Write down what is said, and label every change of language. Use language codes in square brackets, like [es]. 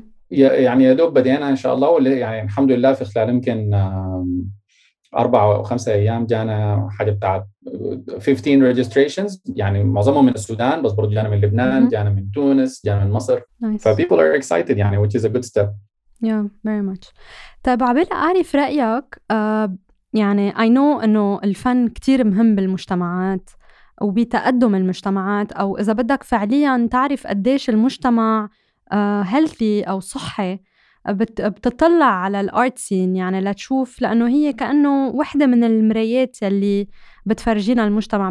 [ar] يعني يدوب بدينا إن شاء الله، يعني الحمد لله في خلال يمكن 4 أو 5 أيام جانا حاجة بتاع 15 registrations يعني، معظمهم من السودان بس برضو جانا من لبنان، جانا من تونس، جانا من مصر. [en] nice. فpeople are excited يعني، which is a good step. yeah very much. [ar] طيب عبالي أعرف رأيك، يعني [en] I know [ar] أنه الفن كتير مهم بالمجتمعات وبتقدم المجتمعات، أو إذا بدك فعليا تعرف قديش المجتمع healthy أو صحي بتطلع على الارت سين يعني، لتشوف، لانه هي كانه وحده من المرايات اللي بتفرجينا المجتمع.